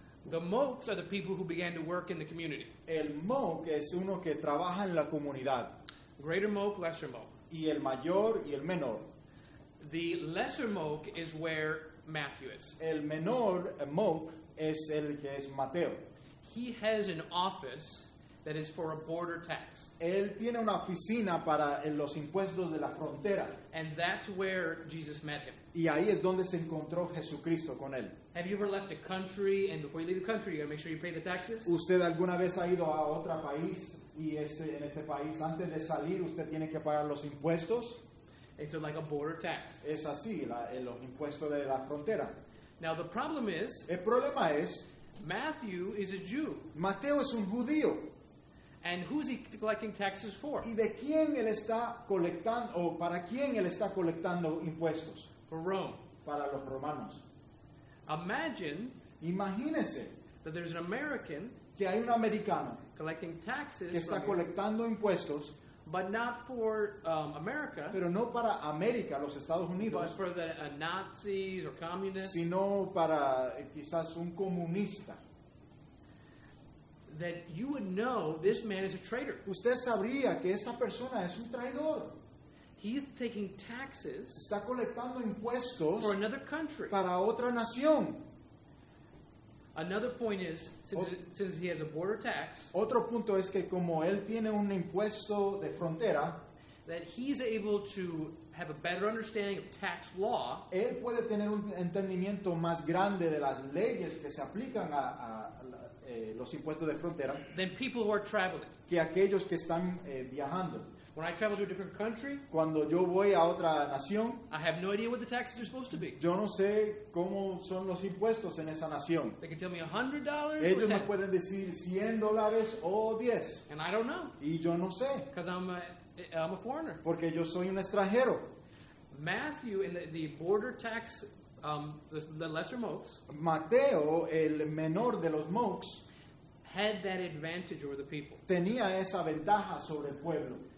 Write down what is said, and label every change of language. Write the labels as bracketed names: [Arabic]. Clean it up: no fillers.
[English] The mokes are the people who began to work in the community. [Spanish] El moke es uno que trabaja en la comunidad. [English] Greater moke, lesser moke. [Spanish] Y el mayor y el menor. [English] The lesser moke is where Matthew is. [Spanish] El menor moke es el que es Mateo. [English] He has an office that is for a border tax. [Spanish] Él tiene una oficina para los impuestos de la frontera. [English] And that's where Jesus met him. [Spanish] Y ahí es donde se encontró Jesucristo con él. [English] Have you ever left a country and before you leave the country you got to make sure you pay the taxes? [Spanish] ¿Usted alguna vez ha ido a otro país y en este país antes de salir usted tiene que pagar los impuestos? [English] It's like a border tax. [Spanish] Es así, los impuestos de la frontera. [English] Now the problem is, [Spanish] el problema es, [English] Matthew is a Jew. [Spanish] Mateo es un judío. [English] And who's he collecting taxes for? [Spanish] ¿Y de quién él está colectando o para quién él está colectando impuestos? [English] For Rome. [Spanish] Para los romanos. [English] Imagine, [Spanish] imagínese, [English] that there's an American [Spanish] que hay un americano [English] collecting taxes [Spanish] que está colectando impuestos, [English] but not for America, [Spanish] pero no para América, los Estados Unidos, [English] but for the Nazis or communists, [Spanish] sino para quizás un comunista. [English] That you would know this man is a traitor. [Spanish] Usted sabría que esta persona es un traidor. [English] He's taking taxes. [Spanish] Está colectando impuestos [English] for another country. [Spanish] Para otra nación. [English] Another point is, since he has a border tax. [Spanish] Otro punto es que como él tiene un impuesto de frontera, [English] that he's able to have a better understanding of tax law. [Spanish] Él puede tener un entendimiento más grande de las leyes que se aplican los impuestos de frontera. [English] Than people who are traveling. [Spanish] Que aquellos que están viajando. [English] When I travel to a different country, [Spanish] cuando yo voy a otra nación, [English] I have no idea what the taxes are supposed to be. [Spanish] Yo no sé cómo son los impuestos en esa nación. [English] They can tell me $100. [Spanish] Ellos me pueden decir $100 o 10. [English] And I don't know. [Spanish] Y yo no sé. [English] Because I'm a foreigner. [Spanish] Porque yo soy un extranjero. [English] Matthew and the border tax, the lesser mokes. [Spanish] Mateo, el menor de los mokes, [English] had that advantage over the people. [Spanish] Tenía esa ventaja sobre el pueblo.